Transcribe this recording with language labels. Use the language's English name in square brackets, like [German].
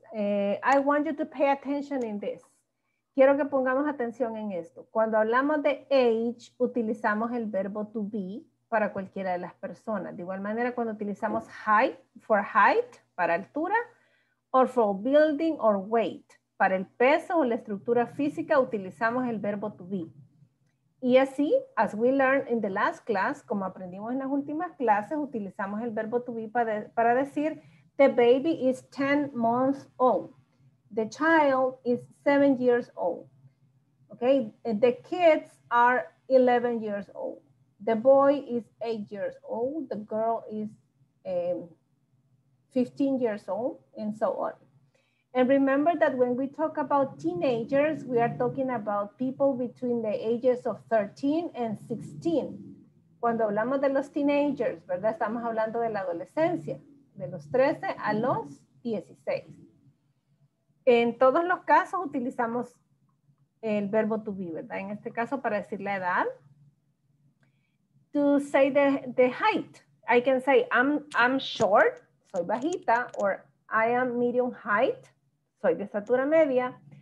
[English] I want you to pay attention in this. [Spanish] Quiero que pongamos atención en esto. Cuando hablamos de age, utilizamos el verbo to be para cualquiera de las personas. De igual manera, cuando utilizamos height, for height, para altura, [English] or for building or weight. [Spanish] Para el peso o la estructura física utilizamos el verbo to be. Y así, [English] as we learned in the last class, [Spanish] como aprendimos en las últimas clases, utilizamos el verbo to be para decir [English] the baby is 10 months old. The child is 7 years old. Okay? And the kids are 11 years old. The boy is 8 years old. The girl is 15 years old, and so on. And remember that when we talk about teenagers, we are talking about people between the ages of 13 and 16. [Spanish] Cuando hablamos de los teenagers, ¿verdad? Estamos hablando de la adolescencia, de los 13 a los 16. En todos los casos utilizamos el verbo to be, ¿verdad? En este caso para decir la edad. [English] To say the height, I can say I'm short, [Spanish] soy bajita, [English] or I am medium height, [Spanish] soy de estatura media.